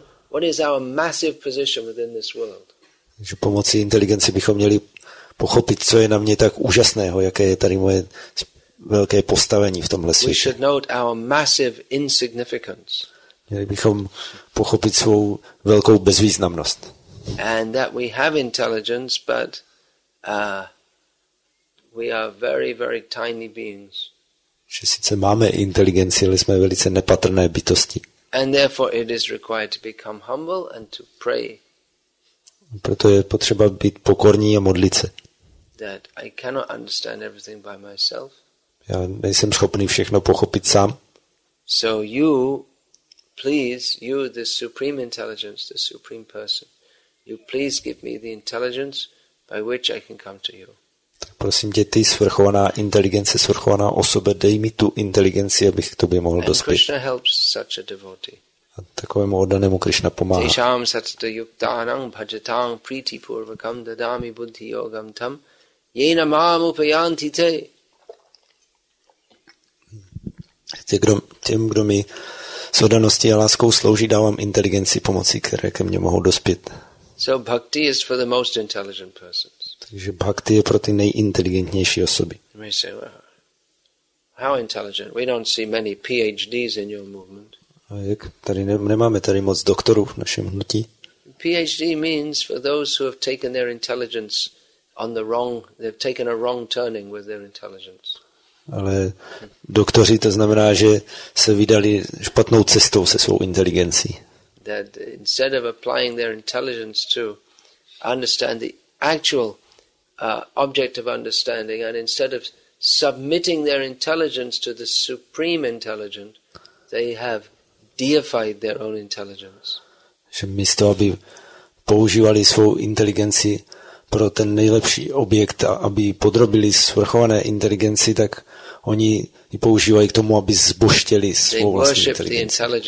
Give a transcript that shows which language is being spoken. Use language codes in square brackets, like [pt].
[en] What is our massive position within this world? [cs] Takže pomocí inteligence bychom měli pochopit, co je na mě tak úžasného, jaké je tady moje velké postavení v tomhle světě. [en] We should note our massive insignificance. [cs] Měli bychom pochopit svou velkou bezvýznamnost. [en] And that we have intelligence, but we are very, very tiny beings. [cs] Že sice máme inteligenci, ale jsme velice nepatrné bytosti. [en] And therefore it is required to become humble and to pray. [cs] Proto je potřeba být pokorní a modlit se. [en] That I cannot understand everything by myself. [cs] Já nejsem schopný všechno pochopit sám. [en] So you, please, you, the supreme intelligence, the supreme person, you please give me the intelligence by which I can come to you. [cs] Tak prosím tě, ty svrchovaná inteligence, svrchovaná osobe, dej mi tu inteligenci, abych k tobě mohl dospět. [en] And Krishna helps such a devotee. [cs] A takovému oddanému Krishna pomáhá. [sa] Tejšam satata yuktanam bhajatam priti purvakam dadami buddhi yogam tam yena mam upayanti te. [cs] Těm, kdo mi s oddaností a láskou slouží, dávám inteligenci pomocí, které ke mně mohou dospět. [en] So bhakti is for the most intelligent persons. [cs] Takže bhakti je pro ty nejinteligentnější osoby. [en] We say, well, how intelligent? We don't see many PhDs in your movement. [cs] A jak? Tady nemáme tady moc doktorů v našem hnutí. [en] PhD means for those who have taken their intelligence on the wrong, they've taken a wrong turning with their intelligence. [cs] Ale doktoři, to znamená, že se vydali špatnou cestou se svou inteligencí. [en] That instead of applying their intelligence to understand the actual object of understanding, and instead of submitting their intelligence to the supreme intelligent, they have deified their own intelligence. [cs] Že místo, aby používali svou inteligenci pro ten nejlepší objekt, aby podrobili svrchované inteligenci, tak oni ji používají k tomu, aby zboštěli svou vlastní inteligenci.